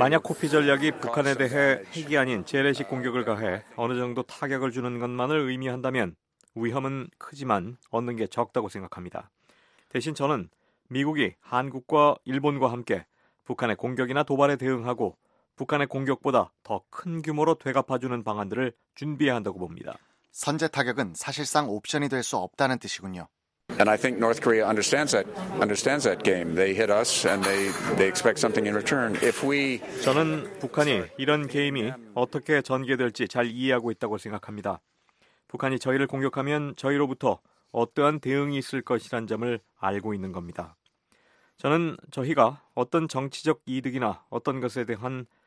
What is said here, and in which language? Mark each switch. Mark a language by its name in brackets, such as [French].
[Korean] 만약 코피 전략이 북한에 대해 핵이 아닌 재래식 공격을 가해 어느 정도 타격을 주는 것만을 의미한다면 위험은 크지만 얻는 게 적다고 생각합니다. 대신 저는 미국이 한국과 일본과 함께 북한의 공격이나 도발에 대응하고 북한의 공격보다 더 큰 규모로 되갚아주는 방안들을 준비해야 한다고 봅니다. 선제 타격은 사실상 옵션이 될 수 없다는 뜻이군요. [English] And I think North Korea understands that game. They hit us and they expect something in return. If we [Korean] 저는 북한이 이런 게임이 어떻게 전개될지 잘 이해하고 있다고 생각합니다. 북한이 저희를 공격하면 저희로부터 어떠한 대응이 있을 것이란 점을 알고 있는 겁니다. 저는 저희가 어떤 정치적 이득이나 어떤 것에 대한